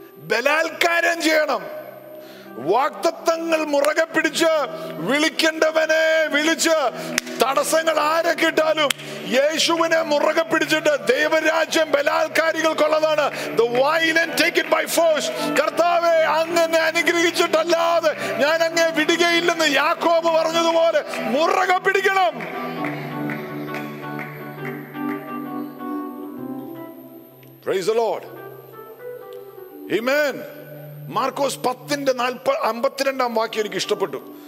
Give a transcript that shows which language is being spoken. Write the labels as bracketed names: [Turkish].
[Malayalam] ബലാൽക്കാരം ചെയ്യണം. വാക്തത്വങ്ങൾ മുറകെ പിടിച്ച് വിളിക്കേണ്ടവനെ വിളിച്ച് തടസ്സങ്ങൾ ആരെ കിട്ടാലും യേശുവിനെ മുറകെ പിടിച്ചിട്ട് ദൈവരാജ്യം ബലാൽക്കാരികൾക്കുള്ളതാണ്. [English] The violent take it by force. [Malayalam] കർത്താവേ അങ്ങനെ അനുഗ്രഹിച്ചിട്ടല്ലാതെ ഞാൻ അങ്ങനെ വിടുകയില്ലെന്ന് യാക്കോബ് പറഞ്ഞതുപോലെ മുറകെ പിടിക്കണം. [English] Praise the Lord. Amen. [Malayalam] Marcos 10:52 വാക്യം എനിക്ക് ഇഷ്ടപ്പെട്ടു.